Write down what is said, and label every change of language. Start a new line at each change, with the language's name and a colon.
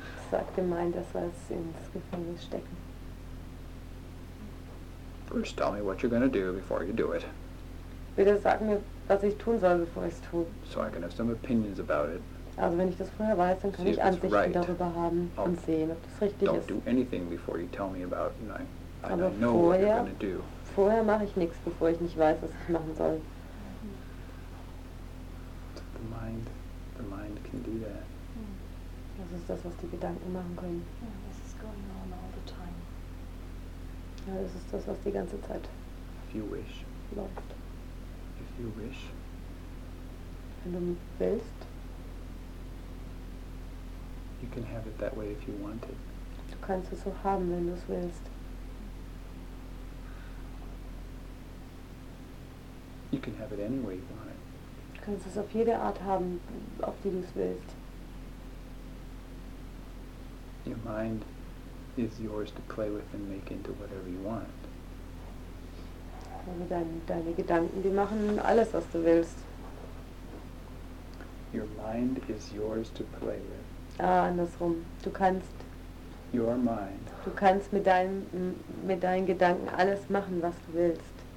German: Sag dem Mind, dass wir uns ins Gefängnis stecken.
English: First tell me what you're going to do before you do it.
German: Bitte sag mir, was ich tun soll, bevor ich es tue.
English: So I can have some opinions about it.
German: Also wenn ich das vorher weiß, dann kann ich Ansichten darüber haben und sehen, ob das richtig ist.
English: Don't do anything before you tell me about it. I know what you're going to do.
German: Vorher mache ich nichts, bevor ich nicht weiß, was ich machen soll.
English: The mind can do that.
German: Das ist das, was die Gedanken machen können.
English: This is going on all the time.
German: Ja, das ist das, was die ganze Zeit
English: if you wish.
German: Läuft.
English: If you wish.
German: Wenn du willst.
English: You can have it that way if you want it.
German: Du kannst es so haben, wenn du es willst.
English: You can have it any way you want it.
German: Du kannst es auf jede Art haben, auf die du es willst.
English: Your mind is yours to play with and make into whatever you want.
German: Also deine Gedanken, die machen alles, was du willst.
English: Your mind is yours to play with.
German: Ah, andersrum. Du kannst.
English: Your mind.
German: Du kannst mit deinen Gedanken alles machen, was du willst.